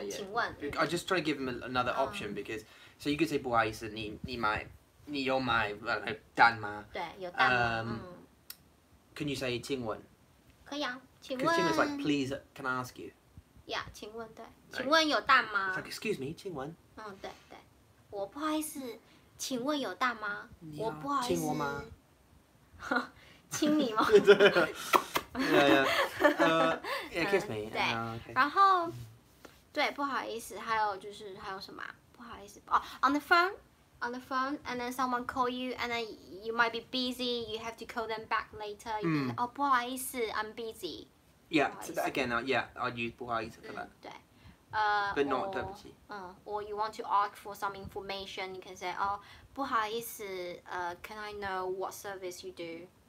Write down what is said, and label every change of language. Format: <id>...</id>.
<en>yeah. I just try to give him another option because, so you could say,</en> <zh>不好意思, 你, 你买, 你有买, 蛋吗? 对, 有蛋吗?</zh> <en>Can you say, 请问?</en> <zh>可以啊,请问。</zh> <en>Because 请问 is like, please, can I ask you?</en> <zh>Yeah, 请问,对。请问有蛋吗?</zh> <en>It's like, excuse me, 请问。</en> <zh>对,对。我不好意思,请问有蛋吗? 我不好意思。请我吗? 请你吗?</zh> <en>对。yeah, kiss me.</en> <zh>对，</zh> <en>okay.</en> <zh>然后，对，不好意思，还有就是还有什么、啊？不好意思，哦、</zh> <en>on the phone, and then someone call you, and then you might be busy. You have to call them back later. Mm.</en> <zh>哦，不好意思</zh> <en>，I'm busy. Yeah, again, yeah, I'd use 不好意思 for that.</en> <zh>对。</zh> <en>But not 对不起。 Or you want to ask for some information, you can say,</en> <zh>哦，不好意思，</zh> <en>can I know what service you do?</en>